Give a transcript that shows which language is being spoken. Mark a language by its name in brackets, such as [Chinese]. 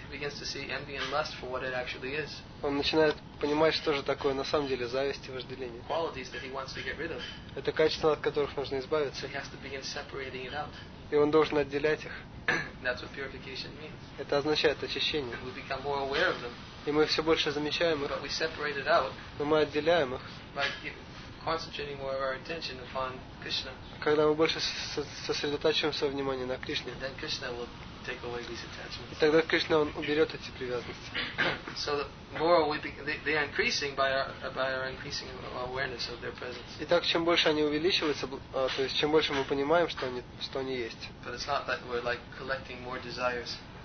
[English] he begins to see envy and lust for what it actually is. [Russian] Он начинает понимать, что же такое на самом деле зависть и вожделение. [English] Qualities that he wants to get rid of. [Russian] Это качества, от которых нужно избавиться. [English] So he has to begin separating it out. [Russian] И он должен отделять их. [English] That's what purification means. [Russian] Это означает очищение. [English] We become more aware of them. [Russian] И мы все больше замечаем их. [English] But we separate it out. [Russian] Но мы отделяем их. [English] Concentrating more of our attention upon Krishna. [Russian] Когда мы больше сосредотачиваем свое внимание на Кришне, [English] then Krishna will take away these attachments. [Russian] И тогда Кришна он уберет эти привязанности. [English] So the more they are increasing by our increasing awareness of their presence. [Russian] Итак, чем больше они увеличиваются, то есть чем больше мы понимаем, что они есть. [English] But it's not that we're like collecting more desires.